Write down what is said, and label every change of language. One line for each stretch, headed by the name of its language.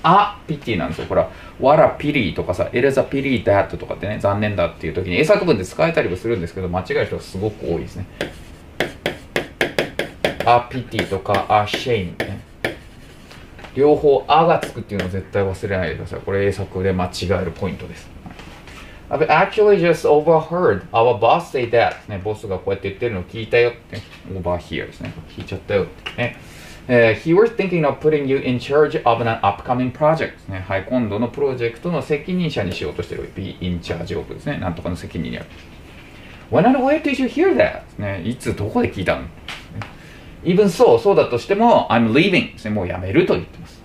Japanese: あ、pity なんですよ。ほら、
English: what a pity
Japanese: とかさ、
English: it is a pity that
Japanese: とかってね、残念だっていう時に、英作文で使えたりもするんですけど、間違える人がすごく多いですね。あ、pity とか、あ、shame ね。両方、あがつくっていうのを絶対忘れないでください。これ、英作で間違えるポイントです。
English: I've actually just overheard our boss say that.
Japanese: ね、ボスがこうやって言ってるのを聞いたよって。 over here ですね。聞いちゃったよって、ね。
English: He was thinking of putting you in charge of an upcoming project.、
Japanese: ね、はい、今度のプロジェクトの責任者にしようとしてる。
English: be in charge of
Japanese: ですね。なんとかの責任にある。
English: When and where did you hear that?、
Japanese: ね、いつどこで聞いたの、ね、?
English: Even so,
Japanese: そうだとしても、
English: I'm leaving.、
Japanese: ね、もう辞めると言ってます。